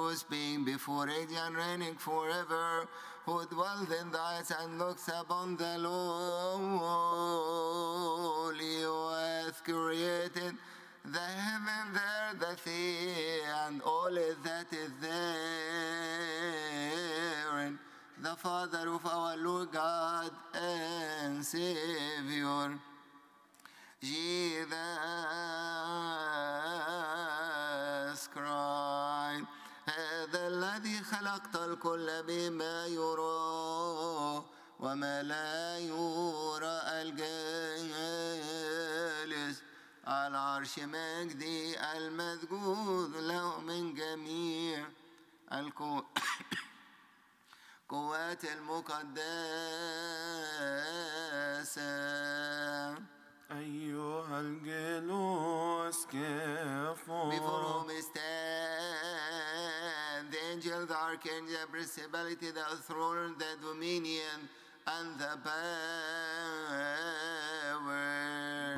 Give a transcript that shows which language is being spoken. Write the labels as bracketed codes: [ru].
[en] Being before age and reigning forever, who dwells in the eyes and looks upon the lowly, who hath created the heaven, the earth, the sea, and all that is there, and the Father of our Lord God and Savior, Jesus Christ. [ar] هذا الذي خلقت الكل بما يرى وما لا يرى الجالس على عرش مجدي المذكور له من جميع القوات المقدسة أيها الجلوس [en] before whom stand the angel, the archangel, the principality, the throne, the dominion, and the power.